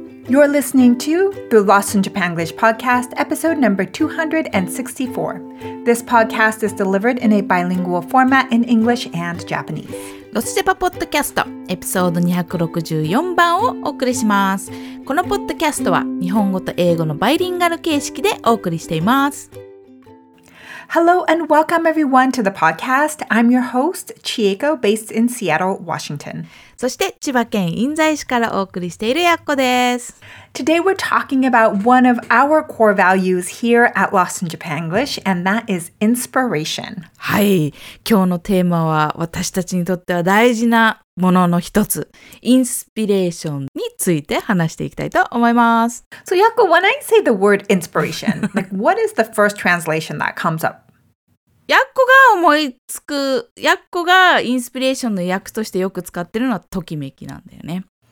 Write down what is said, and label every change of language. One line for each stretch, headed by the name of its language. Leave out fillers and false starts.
English: You're listening to the Lost in Japanglish podcast, episode number 264. This podcast is delivered in a bilingual format in English and Japanese.
Japanese: ロスジェパポッドキャストエピソード264番をお送りします。このポッドキャストは日本語と英語のバイリンガル形式でお送りしています。
English: Hello and welcome everyone to the podcast. I'm your host, Chieko, based in Seattle, Washington.
Japanese: そして千葉県印西市からお送りしているやっこです。
English: Today we're talking about one of our core values here at Lost in Japanglish, and that is inspiration.
Japanese: はい、今日のテーマは私たちにとっては大事なものの一つ、インスピレーションについて話していきたいと思います。
English: So Yakko, when I say the word inspiration, like what is the first translation that comes up?
Japanese: ヤッコが思いつく、ヤッコがインスピレーションの訳としてよく使ってるのはときめきなんだよね。